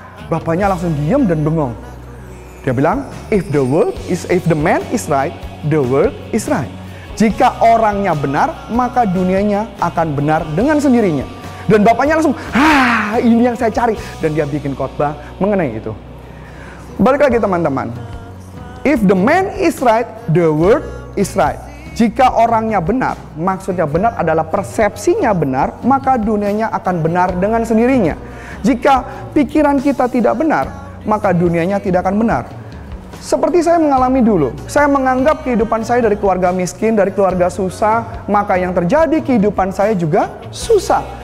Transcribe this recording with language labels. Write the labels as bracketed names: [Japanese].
[Indonesian] Bapaknya langsung diem dan bengong. Dia bilang, [English] if the man is right, the world is right. [Indonesian] Jika orangnya benar, maka dunianya akan benar dengan sendirinya. Dan bapaknya langsung, ini yang saya cari. Dan dia bikin khotbah mengenai itu. Balik lagi teman-teman. [English] If the man is right, the world is right. [Indonesian] Jika orangnya benar, maksudnya benar adalah persepsinya benar, maka dunianya akan benar dengan sendirinya. Jika pikiran kita tidak benar, maka dunianya tidak akan benar. Seperti saya mengalami dulu, saya menganggap kehidupan saya dari keluarga miskin, dari keluarga susah, maka yang terjadi kehidupan saya juga susah.